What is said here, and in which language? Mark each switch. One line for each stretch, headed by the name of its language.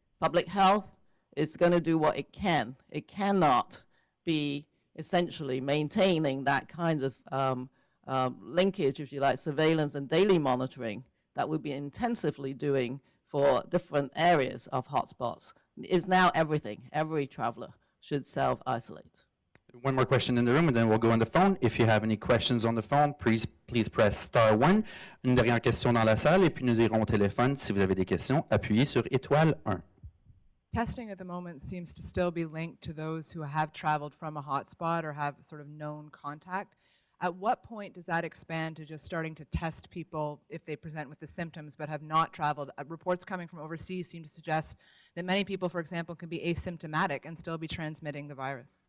English: Public health is going to do what it can. It cannot be essentially maintaining that kind of linkage, if you like, surveillance and daily monitoring that we've been intensively doing for different areas of hotspots. Is now everything. Every traveler should self-isolate. One more question in the room, and then we'll go on the phone. If you have any questions on the phone, please press star one.
French: Une dernière question dans la salle, et puis nous irons au téléphone. Si vous avez des questions, appuyez sur étoile 1.
English: Testing at the moment seems to still be linked to those who have traveled from a hotspot or have sort of known contact. At what point does that expand to just starting to test people if they present with the symptoms but have not traveled? Reports coming from overseas seem to suggest that many people, for example, can be asymptomatic and still be transmitting the virus.